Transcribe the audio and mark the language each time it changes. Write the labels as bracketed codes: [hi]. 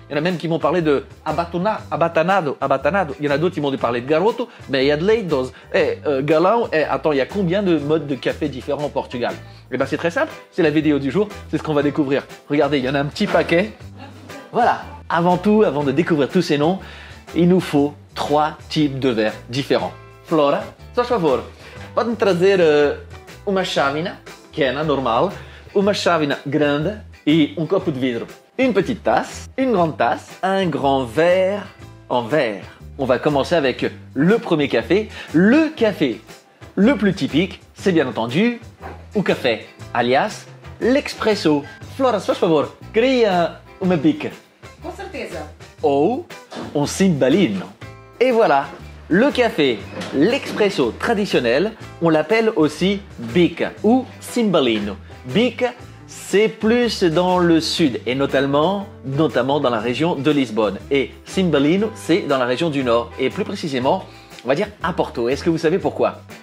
[fr] Il y en a même qui m'ont parlé de abatanado. Il y en a d'autres qui m'ont parlé de garoto, mais il y a de leitos. Galant, attends, il y a combien de modes de café différents au Portugal? Eh bien, c'est très simple, c'est la vidéo du jour, c'est ce qu'on va découvrir. Regardez, il y en a un petit paquet. Voilà. Avant tout, avant de découvrir tous ces noms, il nous faut trois types de verres différents. [pt] Flora, por favor, pode me trazer uma chávena, que é normal, uma chávena grande e copo de vidro. [fr] Une petite tasse, une grande tasse, un grand verre en verre. On va commencer avec le premier café. Le café le plus typique, c'est bien entendu o café, alias l'expresso. [pt] Flora, por favor, queria uma bica. Com certeza. [fr] Ou un cimbalino. Et voilà, le café, l'expresso traditionnel, on l'appelle aussi bica ou cimbalino. Bica, c'est plus dans le sud et notamment dans la région de Lisbonne. Et cimbalino, c'est dans la région du nord et plus précisément, on va dire à Porto. Est-ce que vous savez pourquoi?